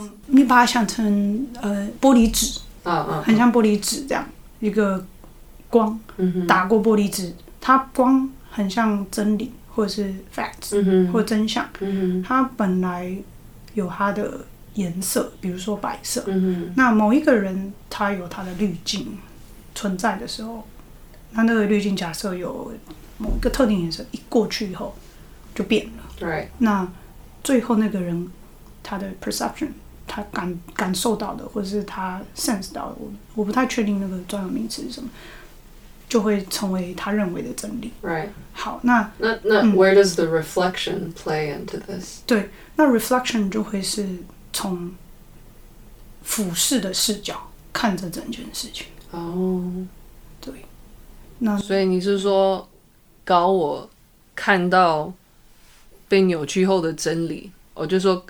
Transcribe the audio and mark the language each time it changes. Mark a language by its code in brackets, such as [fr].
[zh] 你把它想成玻璃纸，很像玻璃纸这样，一个光打过玻璃纸，它光很像真理或者是 facts 或真相，它本来有它的颜色，比如说白色，那某一个人他有他的滤镜存在的时候，那那个滤镜假设有某一个特定颜色，一过去以后就变了。对、right.。那最后那个人他的 perception， 他感受到的，或者是他 sense 到的，我不太确定那个专有名词是什么，就会成为他认为的真理。 Right。好，那 [en] where does the reflection play into this？ [zh] 对，那 reflection 就会是从俯视的视角看着整件事情。对，那所以你是说高我看到被扭曲后的真理，我就说